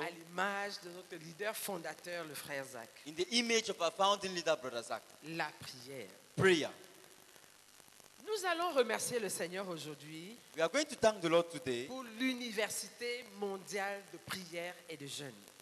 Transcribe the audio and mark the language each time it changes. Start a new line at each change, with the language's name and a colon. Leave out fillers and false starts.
French: À l'image de notre leader fondateur, le frère Zach.
English: In the image of our founding leader, brother Zach.
French: La prière.
English: Prayer.
French: Nous allons remercier le Seigneur aujourd'hui.
English: We are going to thank the Lord today.
French: Pour l'Université mondiale de prière et de jeûne.